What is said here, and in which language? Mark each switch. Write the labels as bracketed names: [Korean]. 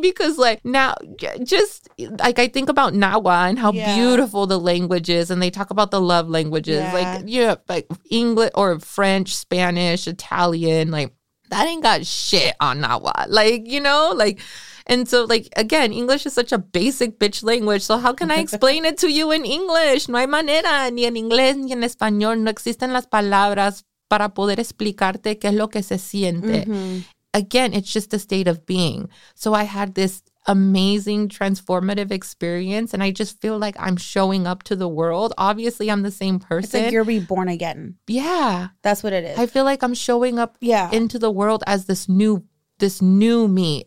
[English] Because, like, now, just like, I think about Nahua and how beautiful the language is, and they talk about the love languages. Yeah. Like, yeah, you know, like English or French, Spanish, Italian, like, that ain't got shit on Nahua. Like, you know, like, and so, like, again, English is such a basic bitch language. So how can I explain it to you in English? [Spanish] No hay manera, ni en inglés ni en español. No existen las palabras para poder explicarte qué es lo que se siente. [English] Mm-hmm. Again, it's just a state of being. So I had this amazing transformative experience, and I just feel like I'm showing up to the world. Obviously, I'm the same person. It's like you're reborn again. Yeah. That's what it is. I feel like I'm showing up into the world as this new me.